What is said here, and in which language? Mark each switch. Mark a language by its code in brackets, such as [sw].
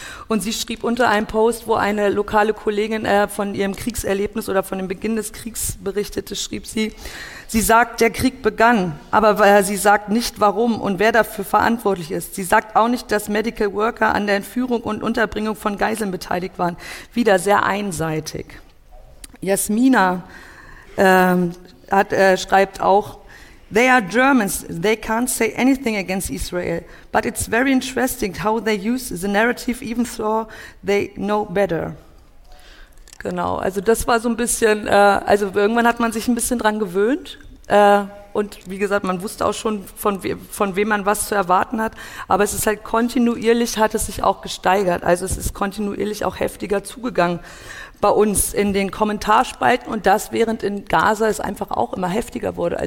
[de] Und sie schrieb unter einem Post, wo eine lokale Kollegin von ihrem Kriegserlebnis oder von dem Beginn des Kriegs berichtete, schrieb sie, sie sagt, der Krieg begann, aber sie sagt nicht, warum und wer dafür verantwortlich ist. Sie sagt auch nicht, dass Medical Worker an der Entführung und Unterbringung von Geiseln beteiligt waren. Wieder sehr einseitig. [en] Jasmina [de] schreibt auch, [en] they are Germans, they can't say anything against Israel, but it's very interesting how they use the narrative even though they know better. [de] Genau, also das war so ein bisschen, also irgendwann hat man sich ein bisschen dran gewöhnt und wie gesagt, man wusste auch schon, von wem man was zu erwarten hat, aber es ist halt kontinuierlich, hat es sich auch gesteigert, also es ist kontinuierlich auch heftiger zugegangen bei uns in den Kommentarspalten und das während in Gaza es einfach auch immer heftiger wurde.